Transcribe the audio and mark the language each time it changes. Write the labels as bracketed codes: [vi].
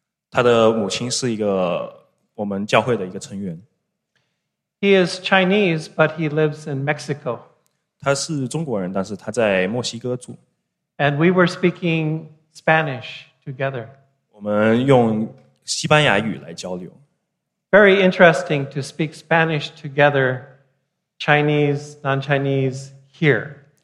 [zh] 他的母亲是一个我们教会的一个成员。 [en] He is Chinese, but he lives in Mexico. [zh] 他是中国人，但是他在墨西哥住。 [en] And we were speaking Spanish together. [zh] 我们用西班牙语来交流。 [en] Very interesting to speak Spanish together, Chinese, non-Chinese, here.